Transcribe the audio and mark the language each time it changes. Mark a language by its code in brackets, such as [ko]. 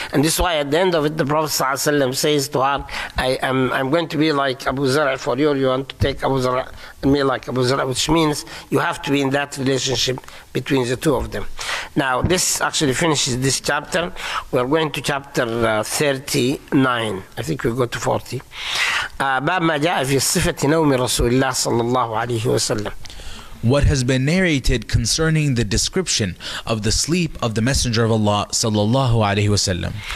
[en] And this is why at the end of it, the Prophet ﷺ says to her, I'm going to be like Abu Zar'a for you. You want to take Abu Zar'a and me like Abu Zar'a, which means you have to be in that relationship between the two of them. Now, this actually finishes this chapter. We're going to chapter 39. I think we go to 40. [ar] باب ما جاء في صفة نوم رسول الله صلى الله عليه وسلم. [en] What has been narrated concerning the description of the sleep of the Messenger of Allah [ar] صلى الله عليه وسلم.